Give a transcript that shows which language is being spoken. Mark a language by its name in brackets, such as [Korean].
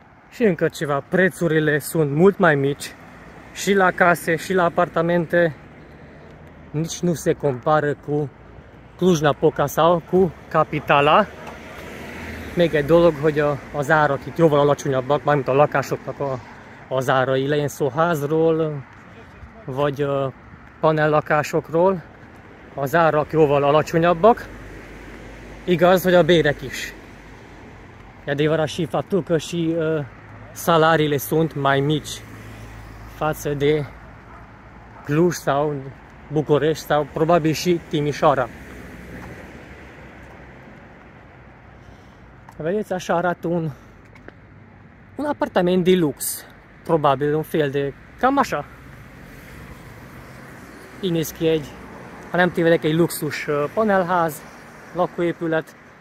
[Romanian] Și încă ceva, prețurile sunt mult mai mici și la case și la apartamente, nici nu se compară cu Cluj-Napoca sau cu capitala. [Hungarian] Még egy dolog, hogy az árak itt jóval alacsonyabbak, mármint a lakásoknak az árai, legyen szó házról vagy panellakásokról, az árak jóval alacsonyabbak, igaz, hogy a bérek is. [Romanian] Adevărat și faptul că și salariile sunt mai mici față de Cluj sau București sau probabil și Timișoara. Vedeți, așa arată un apartament de lux, probabil un fel de cam așa. [Hungarian] Inis kiegy, ha nem tévedek, egy luxus panelház, lakóépület.